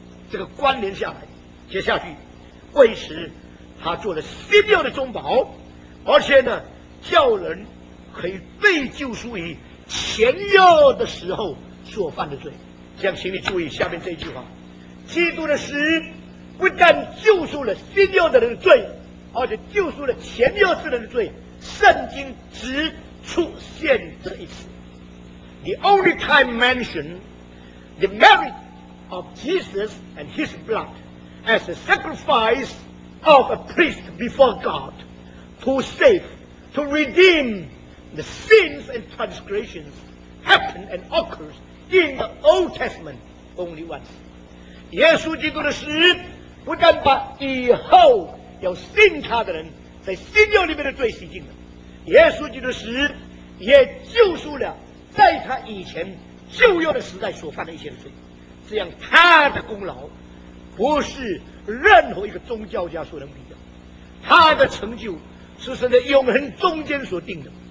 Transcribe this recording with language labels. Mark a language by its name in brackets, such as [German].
[Chinese] 这个关联下来，接下去，为此他做了新约的中保，而且呢叫人可以被救赎于前约的时候所犯的罪。这样请你注意下面这句话，基督的死不但救赎了新约的人的罪，而且救赎了前约之人的罪。圣经只出现这一次。 [English] The only time mentioned the merit of Jesus and his blood as a sacrifice of a priest before God to save, to redeem the sins and transgressions happen and occurs in the Old Testament only once. [Chinese] 耶稣基督的死不但把以后要信他的人在新约里面的罪洗净了，耶稣基督的死也救赎了在他以前旧约的时代所犯的一些罪。这样他的功劳不是任何一个宗教家所能比的，他的成就是神在永恒中间所定的。